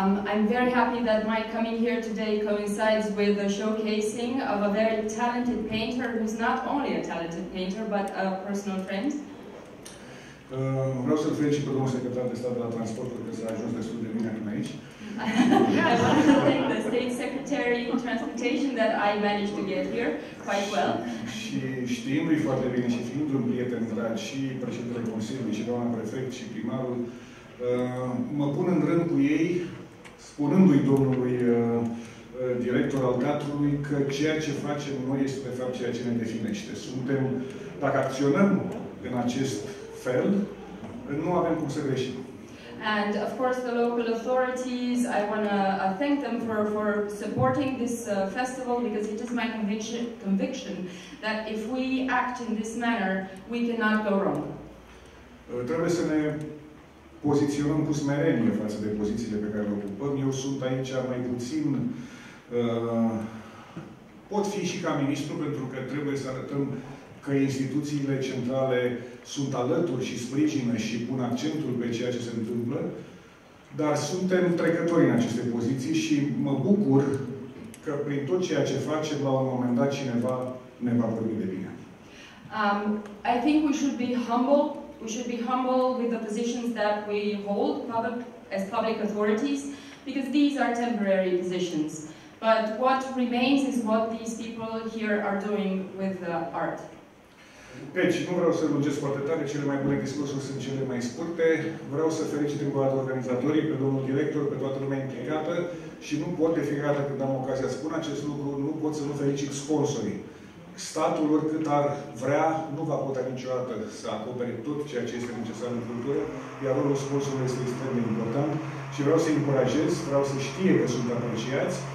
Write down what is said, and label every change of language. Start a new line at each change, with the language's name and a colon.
English: I'm very happy that my coming here today coincides with the showcasing of a very talented painter who's not only a talented painter, but a personal friend.
Romanian: Vreau să-l felicit pe domnul secretar de stat de la transporturi, că s-a ajuns destul de bine până aici.
English: I want to thank the State Secretary of Transportation that I managed to get here quite well.
Romanian: Și știindu-i foarte bine și fiind un prieten drag și președintele Consiliului și doamna prefect și primarul, mă pun în rând cu ei, spunându-i domnului director al teatrului că ceea ce facem noi este de fapt ceea ce ne definește. Suntem, dacă acționăm în acest fel, nu avem cum să greșim.
English: And of course the local authorities, I want to thank them for supporting this festival, because it is my conviction that if we act in this manner, we cannot go wrong.
Romanian: Trebuie să ne poziționăm cu smerenie față de pozițiile pe care le ocupăm. Eu sunt aici mai puțin, pot fi și ca ministru, pentru că trebuie să arătăm că instituțiile centrale sunt alături și sprijină și pun accentul pe ceea ce se întâmplă, dar suntem trecători în aceste poziții și mă bucur că prin tot ceea ce facem, la un moment dat cineva ne va vorbi de bine.
English: I think we should be humble. We should be humble with the positions that we hold public, as public authorities, because these are temporary positions. But what remains is what these people here are doing with the art.
Romanian: Deci, nu vreau să lungesc foarte tare, cele mai bune discursuri sunt cele mai scurte. Vreau să felicit încă o dată organizatorii, pe domnul director, pe toată lumea implicată și nu pot de fiecare dată când am ocazia să spun acest lucru, nu pot să nu felicit sponsorii. Statul, oricât ar vrea, nu va putea niciodată să acopere tot ceea ce este necesar în cultură, iar rolul sponsorului este extrem de important și vreau să-i încurajez, vreau să știe că sunt apreciați